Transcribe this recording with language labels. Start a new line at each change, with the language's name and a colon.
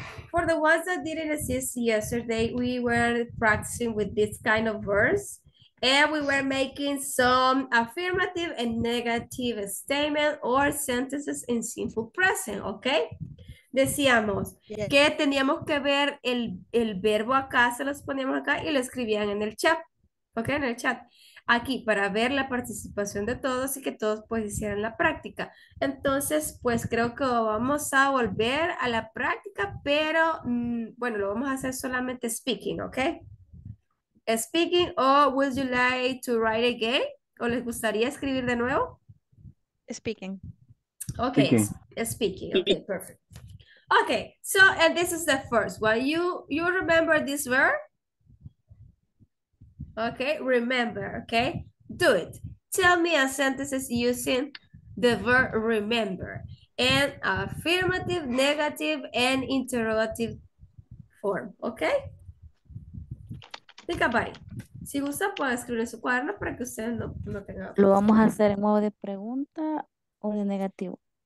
English: For the ones that didn't assist yesterday, we were practicing with this kind of verbs. And we were making some affirmative and negative statements or sentences in simple present, ¿ok?
Spanish: Decíamos que teníamos que ver el verbo acá, se los poníamos acá y lo escribían en el chat, ¿ok? En el chat. Aquí, para ver la participación de todos y que todos pues hicieran la práctica. Entonces, pues creo que vamos a volver a la práctica, pero bueno, lo vamos a hacer solamente speaking, ¿ok?
English: Speaking, or would you like to write again?
Spanish: ¿O les gustaría escribir de nuevo?
English: Speaking. Okay, speaking. Okay, perfect. Okay, so, and this is the first one. You remember this verb? Okay, remember, okay? Do it. Tell me a sentence using the verb remember in affirmative, negative, and interrogative form, okay?
Spanish: Diga, Bari, si gusta, puede escribir en su cuaderno para que ustedes no tengan. ¿Lo vamos a hacer en modo de pregunta o de negativo?